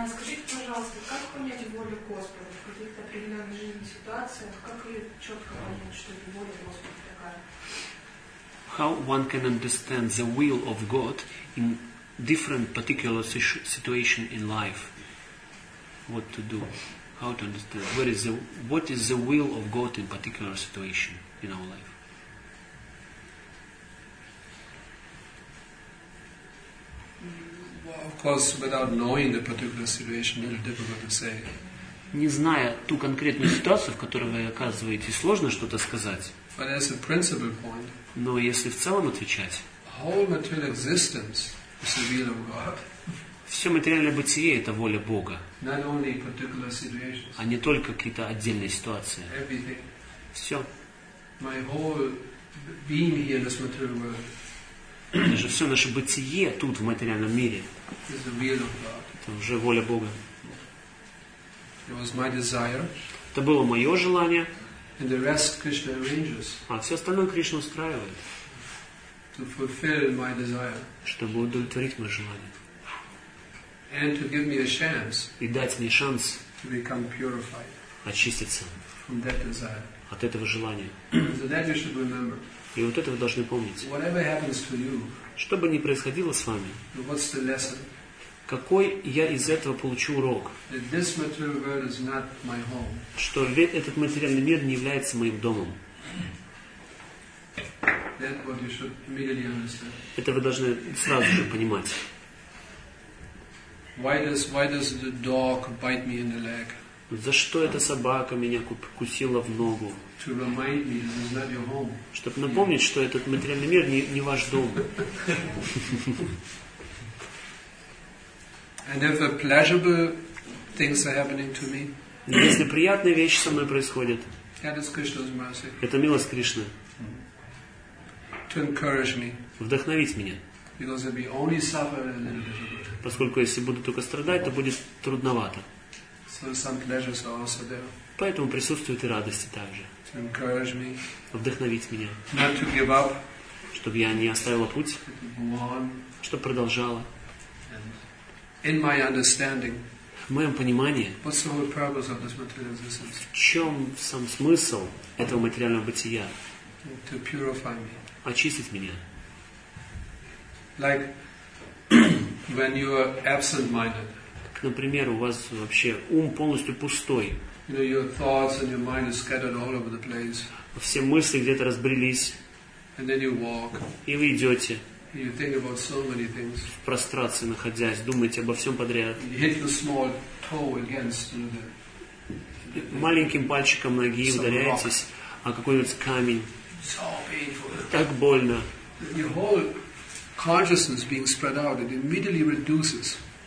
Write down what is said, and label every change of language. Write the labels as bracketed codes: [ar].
[ru] Скажите, пожалуйста, как понять волю Господа в каких-то определенных жизненных ситуациях? Как ее четко понять, что это воля Господа такая? [en] How one can understand the will of God in different particular situation in life? What to do? How to understand? What is the will of God in particular situation in our life? Well, of course, without knowing the particular situation, it's difficult to say. [ru] Не зная ту конкретную ситуацию, в которой вы оказываетесь, сложно что-то сказать. [en] But as a principle point. [ru] Но если в целом отвечать, [en] whole material existence is the will of God. [ru] Все материальное бытие – это воля Бога, [en] not only particular situations. [ru] А не только какие-то отдельные ситуации. [en] Everything. [ru] Все. [en] My whole being here in this material world. [ru] Даже все наше бытие тут, в материальном мире, [en] is the will of God. [ru] Это уже воля Бога. [en] It was my desire. [ru] Это было мое желание. [en] And the rest Krishna arranges. [ru] А все остальное Кришна устраивает. [en] To fulfill my desire. [ru] Чтобы удовлетворить мое желание. [en] and to give me a chance, [ru] и дать мне шанс [en] to become purified [ru] очиститься [en] from that desire. [ru] От этого желания. [en] So that you should remember. [ru] И вот это вы должны помнить. [en] Whatever happens to you, [ru] что бы ни происходило с вами, [en] what's the lesson? [ru] Какой я из этого получу урок? [en] That this material world is not my home. [ru] Что этот материальный мир не является моим домом. [en] That what you should immediately understand. [ru] Это вы должны сразу же понимать. [en] Why does the dog bite me in the leg? [ru] За что эта собака меня кусила в ногу? [en] To remind me, this is not your home. [ru] Чтобы напомнить, что этот материальный мир не ваш дом. [en] And if the pleasurable things are happening to me, [ru] если приятные вещи со мной происходят, [en] that is Krishna's mercy. [ru] Это милость Кришны. [en] To encourage me. [ru] Вдохновить меня. [en] Because if we only suffer, then it's difficult. [ru] Поскольку если буду только страдать, то будет трудновато. [en] So some pleasures are also there. [ru] Поэтому присутствуют и радости также. [en] To encourage me. [ru] Вдохновить меня. [en] Not to give up. [ru] Чтобы я не оставила путь. [en] To move on. [ru] Чтобы продолжала. [en] In my understanding. [ru] В моем понимании. [en] What's the whole purpose of this material existence? [ru] В чем сам смысл этого материального бытия? [en] To purify me. [ru] Очистить меня. [en] Like when you are absent-minded. [ru] Например, у вас вообще ум полностью пустой. [en] You know, your thoughts and your mind are scattered all over the place. [ru] Все мысли где-то разбрелись. [en] And then you walk. [ru] И вы идете. [en] You think about so many things. [ru] В прострации находясь, думаете обо всем подряд. [en] You hit the small toe against, you know, [ru] маленьким пальчиком ноги ударяетесь о какой-нибудь камень. [en] So painful. [ru] Так больно. [en] Your whole consciousness being spread out, it immediately reduces.